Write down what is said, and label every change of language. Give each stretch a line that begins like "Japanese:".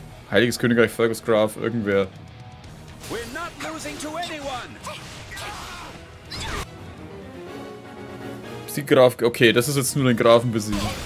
German: Heiliges Königreich Fergus Graf, irgendwer.
English: We're not losing to anyone.
German: Sieg Graf, okay, das ist jetzt nur den Grafen besiegen.